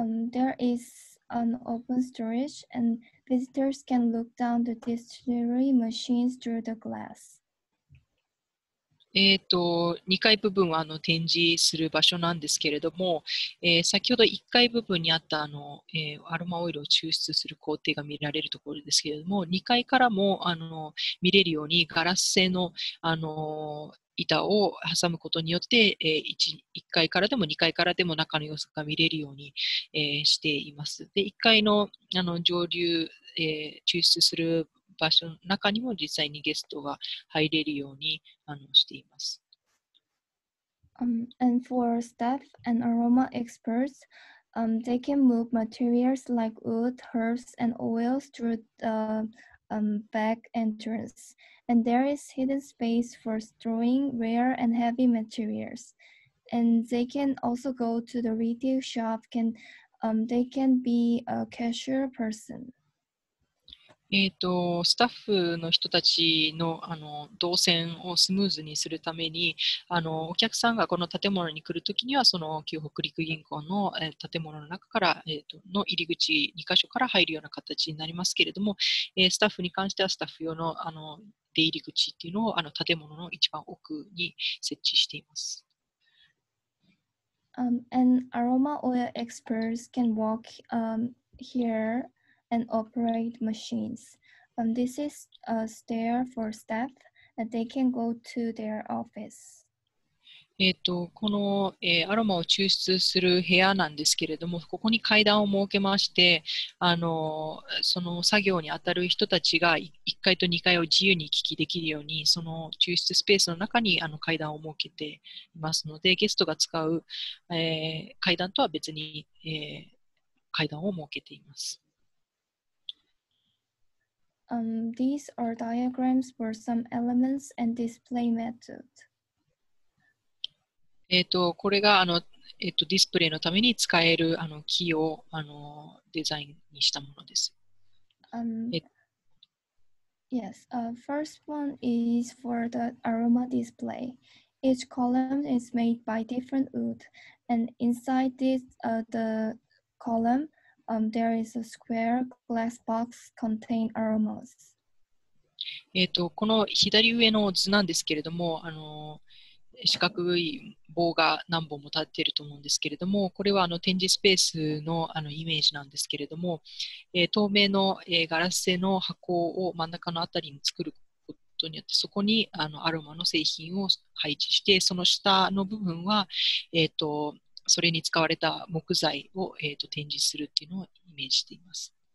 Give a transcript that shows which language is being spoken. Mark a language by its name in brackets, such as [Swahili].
[English] There is an open storage and visitors can look down the distillery machines through the glass. [Japanese] 2階部分は展示する場所なんですけれども、先ほど1階部分にあったアロマオイルを抽出する工程が見られるところですけれども、2階からも見れるようにガラス製の板を挟むことによって、1階からでも2階からでも中の様子が見れるように、しています。で、1階の上流、抽出する場所の中にも実際にゲストが入れるようにしています。 [English] And for staff and aroma experts, they can move materials like wood, herbs, and oils through the back entrance. And there is hidden space for storing rare and heavy materials. And they can also go to the retail shop. They can be a cashier person. [Japanese] スタッフの人たちの動線をスムーズにするためにお客さんがこの建物に来るときにはその旧北陸銀行の建物の中から、の入り口2か所から入るような形になりますけれども、スタッフに関してはスタッフ用の出入り口っていうのを建物の一番奥に設置しています。 [English] And aroma oil experts can walk hereand operate machines. This is a stair for staff, and they can go to their office. [Japanese] この、アロマを抽出する部屋なんですけれども、ここに階段を設けまして、その作業に当たる人たちが1階と2階を自由に行き来できるように、その抽出スペースの中に階段を設けていますので、ゲストが使う、階段とは別に、階段を設けています。 [English] These are diagrams for some elements and display method. [Japanese] これがディスプレイのために使える木をデザインにしたものです。 [English] Yes, first one is for the aroma display. Each column is made by different wood, and inside this, the column,there is a square glass box containing aromas. [Japanese] この左上の図なんですけれども、四角い棒が何本も立っていると思うんですけれども、これは展示スペースの、イメージなんですけれども、透明の、ガラス製の箱を真ん中のあたりに作ることによって、そこにアロマの製品を配置して、その下の部分は、それに使われた木材を、展示するっていうのをイメージしています。